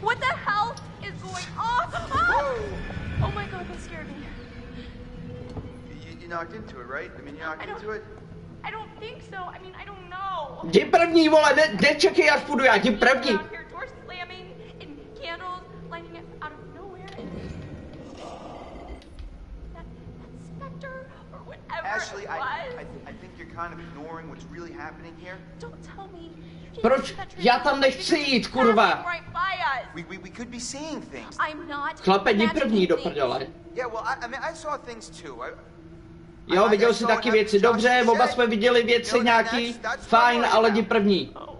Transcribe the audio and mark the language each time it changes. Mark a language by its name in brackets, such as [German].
[English] What the hell is going on? Oh my god, that scared me. You knocked into it, right? I mean, you knocked into it? I don't think so. I mean, I don't know. [Czech] Jdi první, vole, ne čekaj, až půjdu já, jdi první. [English] Door slamming and candles lighting up out of nowhere. That specter or whatever it was. Ashley, I think you're kind of ignoring what's really happening here. Don't tell me. [Czech] Proč? Já tam nechci jít, kurva. [English] We could be seeing things. I'm not. [Czech] Chlape, jdi první do prdele. [English] Yeah, well, I mean, I saw things too. [Czech] Jo, viděl jsi taky věci. Dobře, oba jsme viděli věci nějaký. Fajn, ale jdi první.